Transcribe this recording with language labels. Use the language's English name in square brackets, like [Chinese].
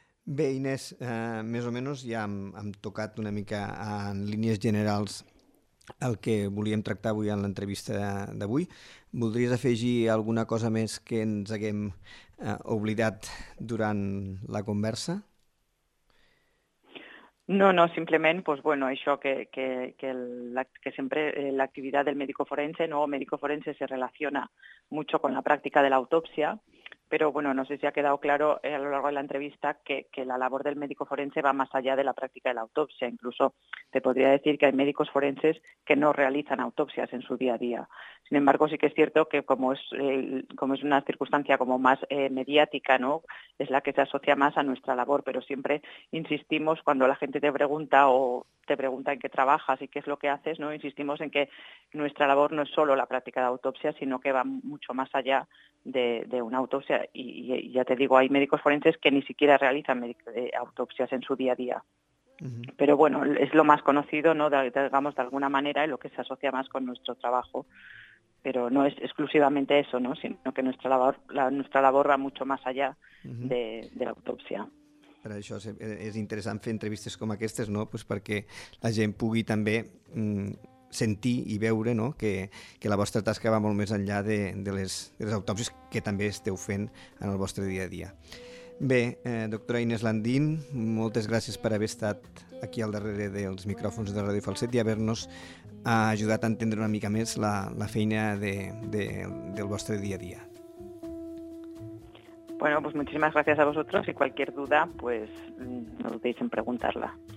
[Catalan] Bé, Inés, més o menys ja hem tocat una mica en línies generals el que volíem tractar avui en l'entrevista d'avui. Voldries afegir alguna cosa més que ens haguem oblidat durant la conversa? [Spanish] No, simplemente, pues bueno, eso que siempre la actividad del médico forense, ¿no?, médico forense se relaciona mucho con la práctica de la autopsia, pero bueno, no sé si ha quedado claro a lo largo de la entrevista que la labor del médico forense va más allá de la práctica de la autopsia. Incluso te podría decir que hay médicos forenses que no realizan autopsias en su día a día. Sin embargo, sí que es cierto que como es una circunstancia como más mediática, ¿no?, es la que se asocia más a nuestra labor, pero siempre insistimos cuando la gente te pregunta en qué trabajas y qué es lo que haces, ¿no?, insistimos en que nuestra labor no es solo la práctica de autopsia, sino que va mucho más allá de una autopsia. Y ya te digo, hay médicos forenses que ni siquiera realizan autopsias en su día a día. Uh-huh. Pero bueno, es lo más conocido, ¿no?, digamos, de alguna manera, y lo que se asocia más con nuestro trabajo. Pero no es exclusivamente eso, ¿no?, sino que nuestra labor va mucho más allá de la autopsia. [Catalan] Per això és interessant fer entrevistes com aquestes, no? Pues perquè la gent pugui també sentir i veure, no?, que la vostra tasca va molt més enllà de les autòpsies que també esteu fent en el vostre dia a dia. Bé, doctora Inés Landín, moltes gràcies per haver estat aquí al darrere dels micròfons de Ràdio Falset i haver-nos ajudat a entendre una mica més la feina del vostre dia a dia. [Spanish] Bueno, pues muchísimas gracias a vosotros y cualquier duda, pues no dudéis en preguntarla.